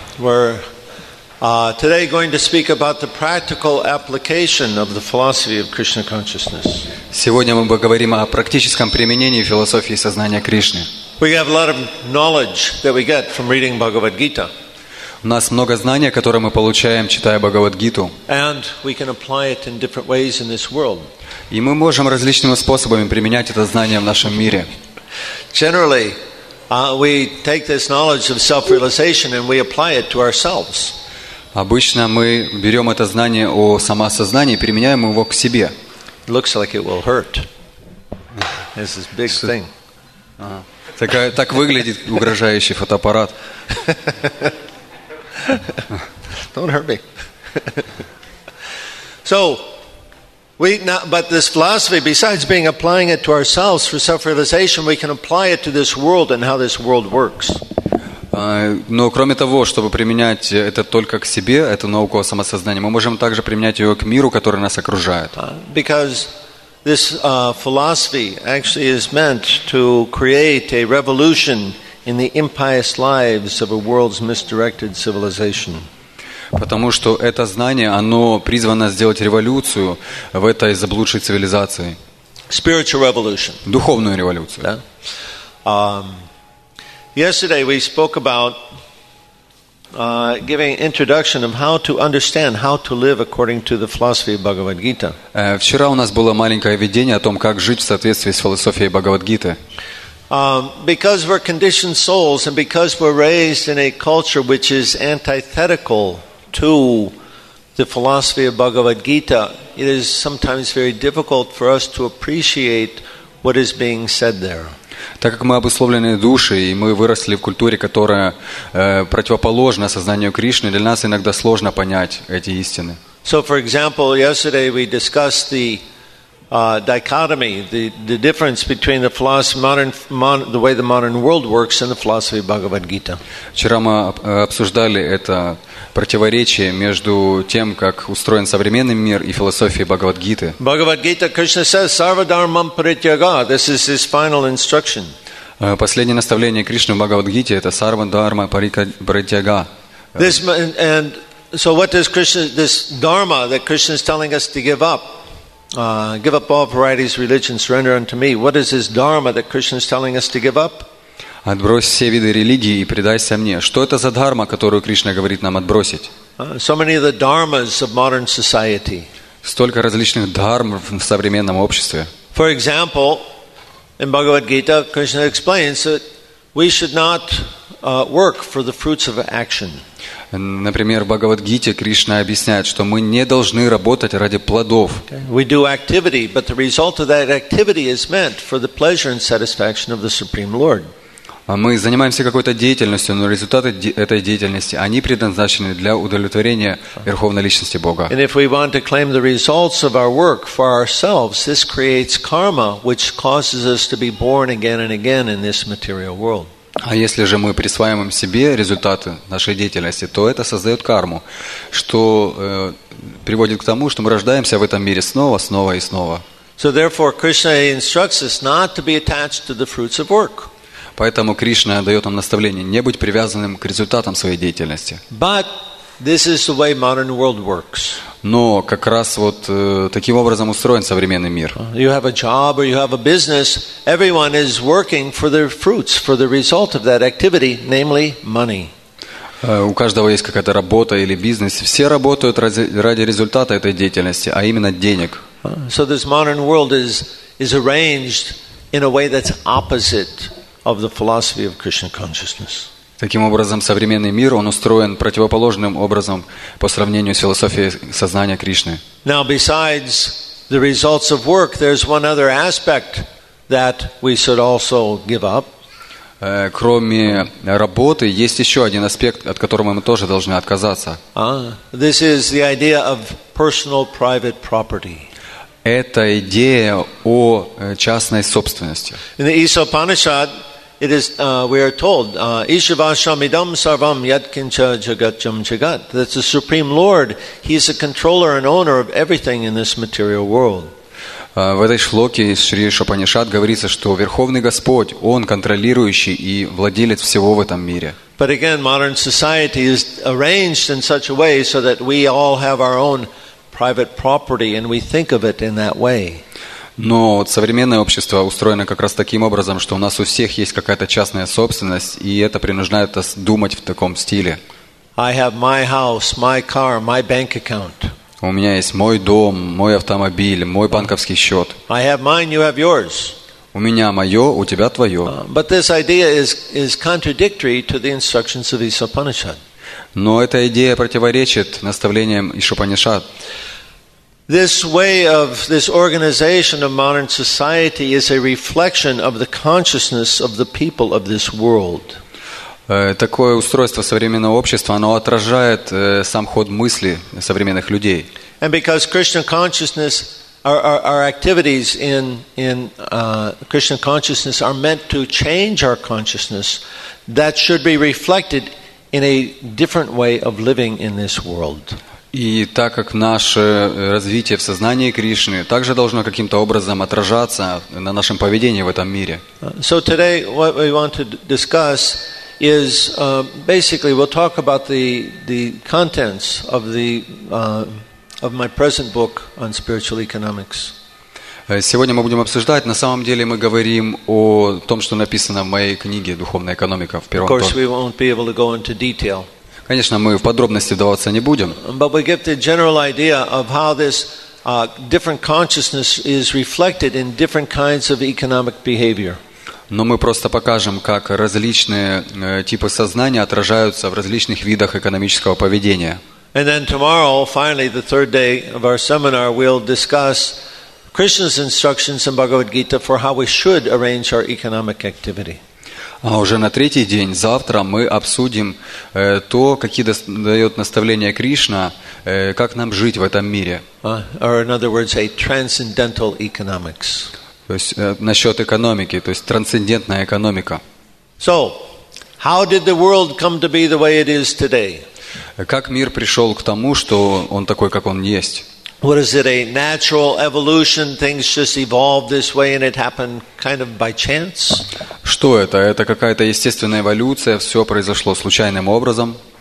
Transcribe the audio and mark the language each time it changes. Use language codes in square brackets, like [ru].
[en] We're today going to speak about the practical application of the philosophy of Krishna consciousness. [ru] Сегодня мы поговорим о практическом применении философии сознания Кришны. [en] We have a lot of knowledge that we get from reading Bhagavad Gita. [ru] У нас много знания, которые мы получаем, читая Бхагавад-гиту. [en] And we can apply it in different ways in this world. [ru] И мы можем различными способами применять это знание в нашем мире. [en] Generally, we take this knowledge of self-realization and we apply it to ourselves. [ru] Обычно мы берём это знание о самосознании и применяем его к себе. [en] It looks like it will hurt. This is a big thing. [ru] Так выглядит угрожающий фотоаппарат. [en] Don't hurt me. So, but this philosophy, besides being applying it to ourselves for self-realization, we can apply it to this world and how this world works. [ru] Но кроме того, чтобы применять это только к себе, эту науку о самосознании, мы можем также применять ее к миру, который нас окружает. [en] Because this philosophy actually is meant to create a revolution in the impious lives of a world's misdirected civilization. [ru] Потому что это знание, оно призвано сделать революцию в этой заблудшей цивилизации. [en] Spiritual revolution. [ru] Духовную революцию. [en] Yesterday we spoke about giving introduction of how to understand how to live according to the philosophy of Bhagavad Gita. [ru] Вчера у нас было маленькое введение о том, как жить в соответствии с философией Бхагавад Гиты. [en] Because we're conditioned souls and because we're raised in a culture which is antithetical to the philosophy of Bhagavad Gita, it is sometimes very difficult for us to appreciate what is being said there. [ru] Так как мы обусловлены душой, и мы выросли в культуре, которая противоположна сознанию Кришны, для нас иногда сложно понять эти истины. [en] So, for example, yesterday we discussed the dichotomy, the difference between the philosophy the way the modern world works and the philosophy of Bhagavad Gita. [ru] Вчера мы обсуждали это противоречие между тем, как устроен современный мир и философией Бхагавад Гиты. [en] Bhagavad Gita, Krishna says, [sa] "Sarva dharmam parityaga." [en] This is his final instruction. [ru] Последнее наставление Кришны в Бхагавад Гите это [sa] "Sarva dharma parityaga." [en] This and so what does Krishna this dharma that Krishna is telling us to give up? Give up all varieties of religion, surrender unto me. What is this dharma that Krishna is telling us to give up? [ru] Отбрось все виды религии и предайся мне. Что это за дхарма, которую Кришна говорит нам отбросить? [en] So many of the dharmas of modern society. [ru] Столько различных дхарм в современном обществе. [en] For example, in Bhagavad Gita, Krishna explains that we should not work for the fruits of action. [ru] Например, в Бхагавад-гите Кришна объясняет, что мы не должны работать ради плодов. [en] We do activity, but the result of that activity is meant for the pleasure and satisfaction of the Supreme Lord. [ru] Мы занимаемся какой-то деятельностью, но результаты этой деятельности, они предназначены для удовлетворения Верховной Личности Бога. [en] And if we want to claim the results of our work for ourselves, this creates karma, which causes us to be born again and again in this material world. [ru] А если же мы присваиваем себе результаты нашей деятельности, то это создает карму, что приводит к тому, что мы рождаемся в этом мире снова, снова и снова. [en] So therefore, Krishna instructs us not to be attached to the fruits of work. [ru] Поэтому Кришна дает нам наставление не быть привязанным к результатам своей деятельности. [en] But this is the way modern world works. [ru] Но как раз вот таким образом устроен современный мир. [en] You have a job or you have a business, everyone is working for their fruits, for the result of that activity, namely money. [ru] У каждого есть какая-то работа или бизнес, все работают ради результата этой деятельности, а именно денег. [en] So this modern world is arranged in a way that's opposite of the philosophy of Krishna consciousness. [ru] Таким образом, современный мир, он устроен противоположным образом по сравнению с философией сознания Кришны. [en] Now, besides the results of work, there's one other aspect that we should also give up. [ru] Кроме работы, есть еще один аспект, от которого мы тоже должны отказаться. [en] This is the idea of personal private property. [ru] Это идея о частной собственности. [en] In the East Upanishad, it is we are told [sa] ishvasham idam sarvam yat kincha jagat jam jagat, [en] that's the Supreme Lord, he is the controller and owner of everything in this material world. [ru] В этой шлоке из Шри Шопанишат говорится, что Верховный Господь, Он контролирующий и владелец всего в этом мире. [en] But again, modern society is arranged in such a way so that we all have our own private property and we think of it in that way. [ru] Но современное общество устроено как раз таким образом, что у нас у всех есть какая-то частная собственность, и это принуждает нас думать в таком стиле. [en] I have my house, my car, my bank account. [ru] У меня есть мой дом, мой автомобиль, мой банковский счет. [en] I have mine, you have yours. [ru] У меня мое, у тебя твое. [en] But this idea is contradictory to the instructions of Isha Upanishad. [ru] Но эта идея противоречит наставлениям Иша Панишат. [en] This way of this organization of modern society is a reflection of the consciousness of the people of this world. [ru] Такое устройство современного общества, оно отражает сам ход мысли современных людей. [en] And because Krishna consciousness, our activities in Krishna consciousness are meant to change our consciousness, that should be reflected in a different way of living in this world. [ru] И так как наше развитие в сознании Кришны также должно каким-то образом отражаться на нашем поведении в этом мире. [en] So today what we want to discuss is basically we'll talk about the contents of the of my present book on spiritual economics. [ru] Сегодня мы будем обсуждать, на самом деле мы говорим о том, что написано в моей книге «Духовная экономика» в первом томе. [en] Of course, we won't be able to go into detail. [ru] Конечно, мы в подробности вдаваться не будем. [en] But we get the general idea of how this different consciousness is reflected in different kinds of economic behavior. [ru] Но мы просто покажем, как различные типы сознания отражаются в различных видах экономического поведения. [en] And then tomorrow, finally, the third day of our seminar, we'll discuss Krishna's instructions in Bhagavad Gita for how we should arrange our economic activity. [ru] А уже на третий день, завтра, мы обсудим то, какие дает наставления Кришна, как нам жить в этом мире. [en] Or in other words, a transcendental economics. [ru] То есть насчет экономики, то есть трансцендентная экономика. [en] So, how did the world come to be the way it is today? [ru] Как мир пришел к тому, что он такой, как он есть? [en] What is it, a natural evolution? Things just evolved this way and it happened kind of by chance? [ru] Что это? Это какая-то естественная эволюция, все произошло случайным образом?